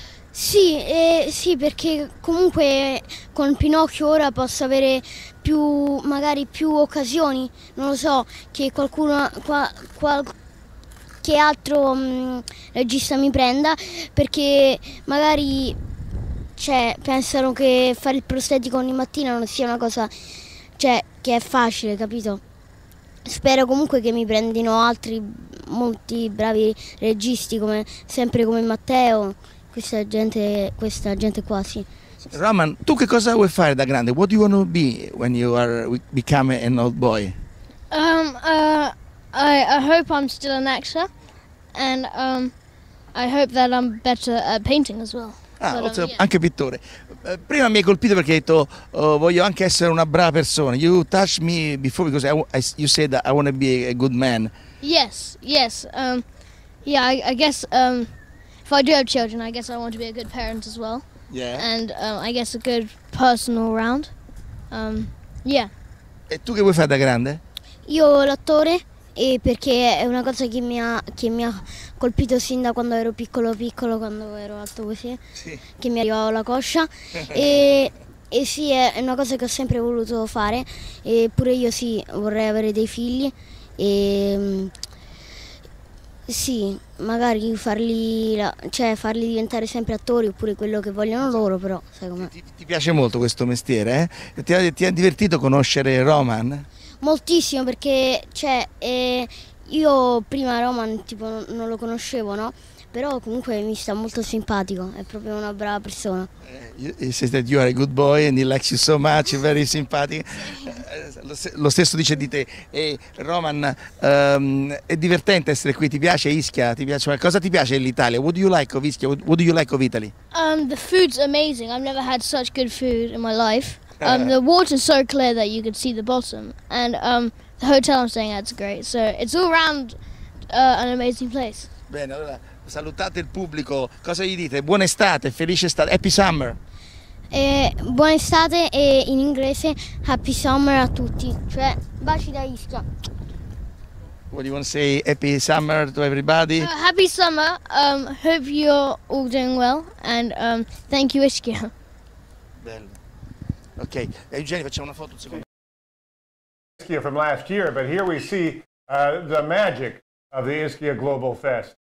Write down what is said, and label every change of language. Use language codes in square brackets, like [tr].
[it] Sì, sì, perché comunque con Pinocchio ora posso avere più, magari più occasioni, non lo so, che qualcuno, qualche altro regista mi prenda, perché magari, cioè, pensano che fare il prostetico ogni mattina non sia una cosa, cioè, che è facile, capito? Spero comunque che mi prendino altri molti bravi registi, come sempre, come Matteo. Questa gente qua, sì. Roman, tu che cosa vuoi fare da grande? [en] What do you want to be when you are become an old boy? I hope I'm still an actor, and I hope that I'm better at painting as well. Ah, but, also, yeah. [it] Anche pittore. Prima mi hai colpito perché hai detto voglio anche essere una brava persona. [en] You touched me before because you said that I want to be a good man. Yes, yes. I guess. If I do have children, I guess I want to be a good parent as well. Yeah. And I guess a good person all round. Yeah. [it] E tu che vuoi fare da grande? Io l'attore, e perché è una cosa che mi ha colpito sin da quando ero piccolo, quando ero alto così. Sì. Che mi arrivava la coscia. e sì, è una cosa che ho sempre voluto fare. E pure io sì, vorrei avere dei figli. E sì, magari farli diventare sempre attori, oppure quello che vogliono loro, però sai com'è. Ti piace molto questo mestiere, eh? Ti è divertito conoscere Roman? Moltissimo, perché io prima Roman tipo non lo conoscevo, no? Però comunque mi sta molto simpatico, è proprio una brava persona. [en] He says that you are a good boy and he likes you so much, very sympathetic. [it] Lo stesso dice di te. E Roman, è divertente essere qui, ti piace Ischia? Ti piace qualcosa? Ti piace l'Italia? [en] What do you like of Ischia? What do you like of Italy? The food's amazing. I've never had such good food in my life. The water's so clear that you could see the bottom. And the hotel I'm staying at is great. So it's all around an amazing place. [it] Bene, allora salutate il pubblico, cosa gli dite? Buona estate, felice estate, [en] happy summer! [it] Buona estate e in inglese [en] happy summer [it] a tutti, cioè baci da Ischia. [en] What do you want to say? Happy summer to everybody? Happy summer, hope you're all doing well and thank you Ischia. [it] Bello. Ok, Eugenio, facciamo una foto un secondo. [en] Ischia from last year, but here we see the magic of the Ischia Global Fest.